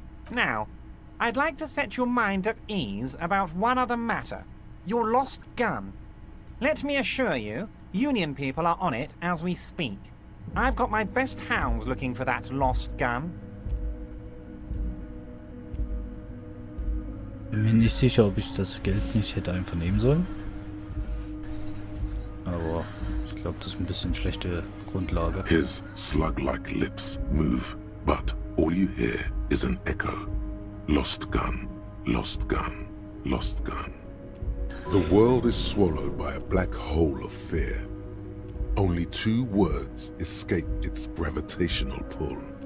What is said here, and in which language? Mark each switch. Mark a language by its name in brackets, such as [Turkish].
[English] Now, I'd like to set your mind at ease about one other matter. Your lost gun. Let me assure you, Union people are on it as we speak. I've got my best hounds looking for that lost gun. [German] Bin mir nicht sicher, ob ich das Geld nicht hätte einfach nehmen sollen. Aber ich glaube, das ist ein bisschen schlechte Grundlage. [English] His slug-like lips move, but all you hear is an echo. Lost gun, lost gun, lost gun. The world is swallowed by a black hole of fear. Only two words escape its gravitational pull.